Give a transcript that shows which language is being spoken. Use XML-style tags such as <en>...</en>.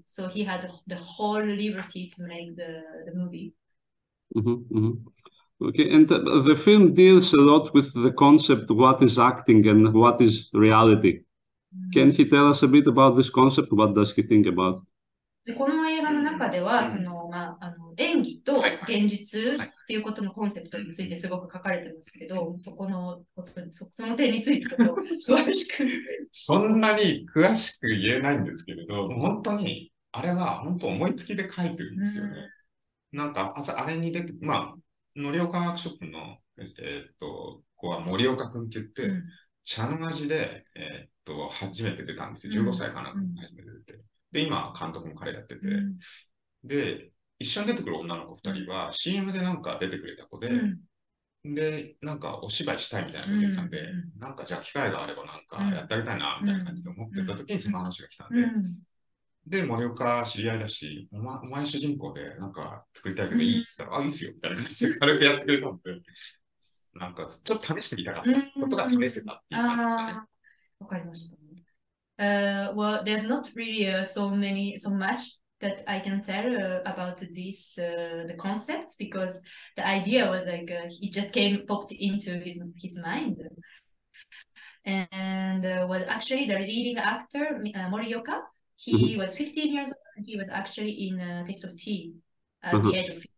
<en>So he had the whole liberty to make the movie. Mm-hmm. Okay, and the film deals a lot with the concept, what is acting and what is reality. Mm-hmm. Can he tell us a bit about this concept? What does he think about?</en> <ja>この映画の中では、その、まあ、演技と現実っていうことのコンセプトについてすごく書かれてますけど、そこのことに、その点についてと詳しく。そんなに詳しく言えないんですけれど、本当に、あれは本当思いつきで書いてるんですよね。うん、なんか、あれに出て、まあ、のりおかワークショップの、子は森岡くんって言って、茶の味で、初めて出たんですよ。 15歳かな、初めて出て。で、今、監督も彼やってて。うん、で、一緒に出てくる女の子二人は CM でなんか出てくれた子で、うん、で、なんかお芝居したいみたいなこと言ってたんで、うん、なんかじゃあ機会があればなんかやってあげたいな、みたいな感じで思ってた時にその話が来たんで、うんうん、で、森岡知り合いだし、お前主人公でなんか作りたいけどいいって言ったら、うん、あ、いいっすよ、みたいな感じで軽くやってくれたんで、なんかちょっと試してみたかったことが試せたっていう感じですかね。わかりました。</ja> <en>Well, there's not really so much. That I can tell about this, the concept, because the idea was like, it just came, popped into his mind. And well, actually the leading actor, Morioka, he was 15 years old, and he was actually in Taste of Tea at the age of 15.</en>